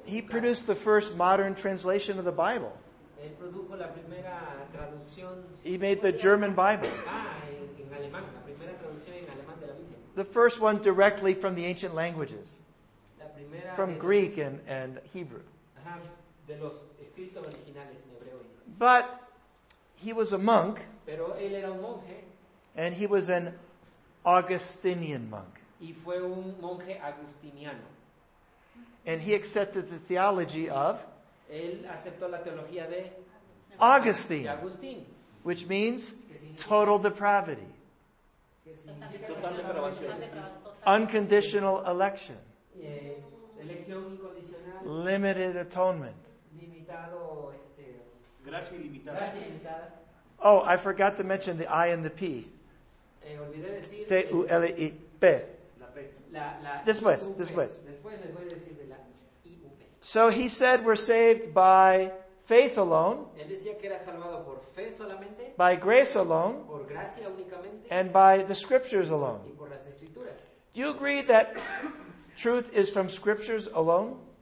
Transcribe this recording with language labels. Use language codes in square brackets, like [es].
[en] He produced the first modern translation of the Bible. [es] Él produjo la primera traducción. [en] He made the German Bible. [es] En alemán, la primera traducción en alemán de la Biblia. [en] The first one directly from the ancient languages. From Greek and Hebrew. [es] De los escritos originales en hebreo. [en] But he was a monk. [es] Pero él era un monje. [en] And he was an Augustinian monk. [es] Y fue un monje agustiniano. [en] And he accepted the theology of [es] él aceptó la teología de [en] Augustine. [es] De Agustín, [en] which means total depravity. [es] Que significa total depravación. [en] Unconditional election. [es] Elección incondicional. [en] Limited atonement. [es] Limitado, gracia ilimitada. Gracia ilimitada. [en] Oh, I forgot to mention the I and the P. [es] Olvidé decir T-U-L-E-P. Después. Después les voy a decir de la I-U-P. [en] So he said we're saved by faith alone. [es] Él decía que era salvado por fe solamente. [en] By grace alone. [es] Por gracia únicamente. [en] And by the scriptures alone. [es] Y por las escrituras. [en] Do you agree that truth is from scriptures alone?